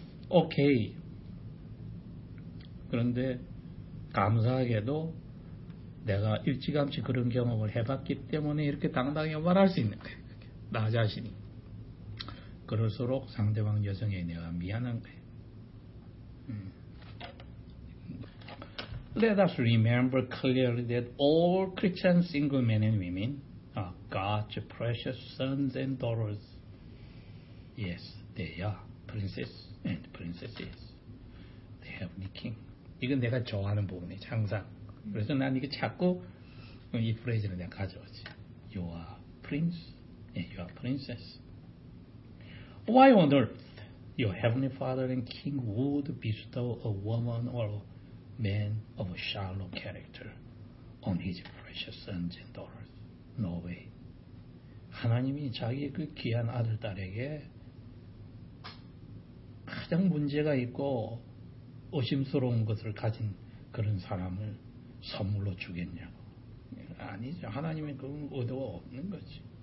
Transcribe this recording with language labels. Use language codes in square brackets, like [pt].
[ko] 오케이. 그런데 감사하게도 내가 일찌감치 그런 경험을 해봤기 때문에 이렇게 당당히 말할 수 있는 거예요. 나 자신이. 그럴수록 상대방 여성에 내가 미안한 거예요. [en] Let us remember clearly that all Christian single men and women are God's precious sons and daughters. Yes, they are princes and princesses. They have the king. [ko] 이건 내가 좋아하는 부분이지 항상. 그래서 난 이게 자꾸 이 프레이즈를 내가 가져왔지. [en] You are prince and you are princess. Why on earth your heavenly father and king would bestow a woman or a man of a shallow character on his precious sons and daughters? No way. [ko] 하나님이 자기 그 귀한 아들 딸에게 가장 문제가 있고 의심스러운 것을 가진 그런 사람을 선물로 주겠냐고. 아니죠. 하나님은 그건 의도가 없는 거지.